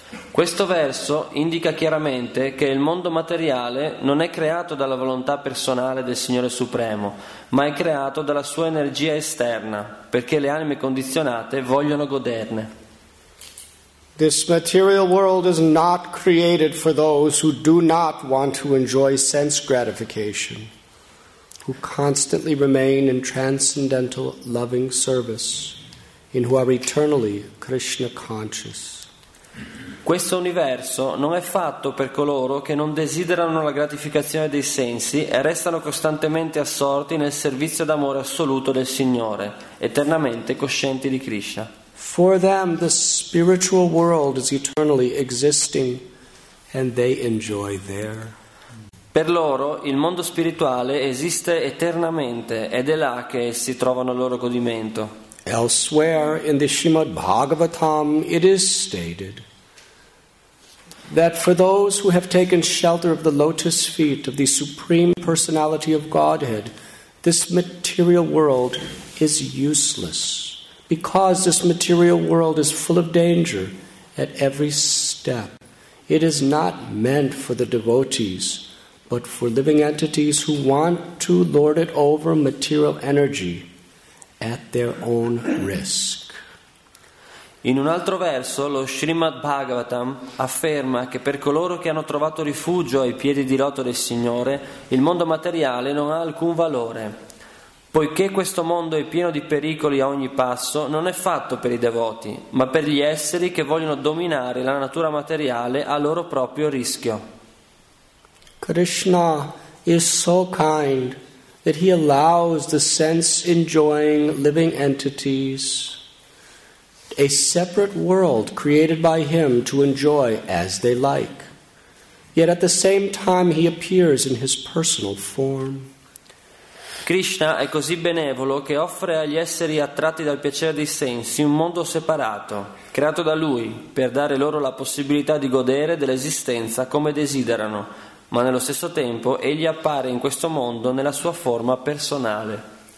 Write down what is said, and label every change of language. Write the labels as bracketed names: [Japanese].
[Italian] Questo verso indica chiaramente che il mondo materiale non è creato dalla volontà personale del Signore Supremo, ma è creato dalla sua energia esterna, perché le anime condizionate vogliono goderne. [English] This material world is not created for those who do not want to enjoy sense gratification, who constantly remain in transcendental loving service, in who are eternally Krishna conscious. [Italian] Questo universo non è fatto per coloro che non desiderano la gratificazione dei sensi e restano costantemente assorti nel servizio d'amore assoluto del Signore, eternamente coscienti di Krishna. [English] For them the spiritual world is eternally existing and they enjoy there. [Italian] Per loro il mondo spirituale esiste eternamente ed è là che essi trovano il loro godimento. [English] Elsewhere in the Srimad Bhagavatam it is stated that for those who have taken shelter of the lotus feet of the Supreme Personality of Godhead, this material world is useless, because this material world is full of danger at every step. It is not meant for the devotees, but for living entities who want to lord it over material energy at their own risk. [Italian] In un altro verso, lo Srimad Bhagavatam afferma che per coloro che hanno trovato rifugio ai piedi di loto del Signore, il mondo materiale non ha alcun valore. Poiché questo mondo è pieno di pericoli a ogni passo, non è fatto per i devoti, ma per gli esseri che vogliono dominare la natura materiale a loro proprio rischio. [English] Krishna is so kind that he allows the sense-enjoying living entities a separate world created by him to enjoy as they like. Yet at the same time he appears in his personal form. [Italian] Krishna è così benevolo che offre agli esseri attratti dal piacere dei sensi un mondo separato, creato da lui, per dare loro la possibilità di godere dell'esistenza come desiderano, ma nello stesso tempo egli appare in questo mondo nella sua forma personale.